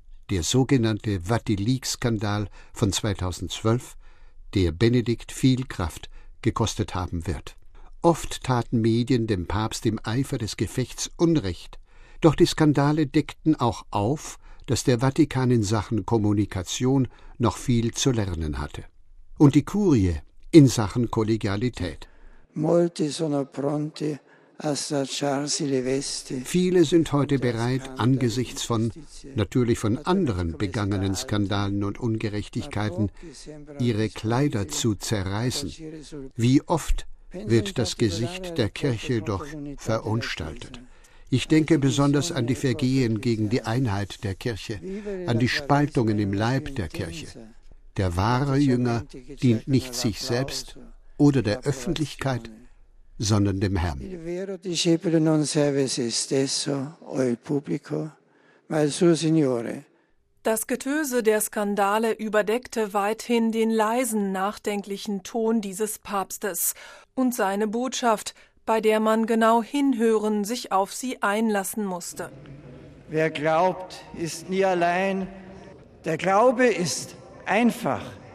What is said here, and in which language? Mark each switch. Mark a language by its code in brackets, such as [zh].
[de] Der sogenannte Wattileaks-Skandal von 2012, der Benedikt viel Kraft gekostet haben wird. Oft taten Medien dem Papst im Eifer des Gefechts Unrecht, doch die Skandale deckten auch auf, dass der Vatikan in Sachen Kommunikation noch viel zu lernen hatte. Und die Kurie in Sachen Kollegialität. [it] Molti sono pronti a stracciarsi le vesti. [de] Viele sind heute bereit, angesichts von, natürlich von anderen begangenen Skandalen und Ungerechtigkeiten, ihre Kleider zu zerreißen. Wie oft wird das Gesicht der Kirche doch verunstaltet. Ich denke besonders an die Vergehen gegen die Einheit der Kirche, an die Spaltungen im Leib der Kirche. Der wahre Jünger dient nicht sich selbst oder der Öffentlichkeit, sondern dem Herrn. [it] Il vero discepolo non serve se stesso o il pubblico, ma il suo Signore. [de] Das Getöse der Skandale überdeckte weithin den leisen, nachdenklichen Ton dieses Papstes und seine Botschaft, bei der man genau hinhören, sich auf sie einlassen musste. Wer glaubt, ist nie allein. Der Glaube ist einfach.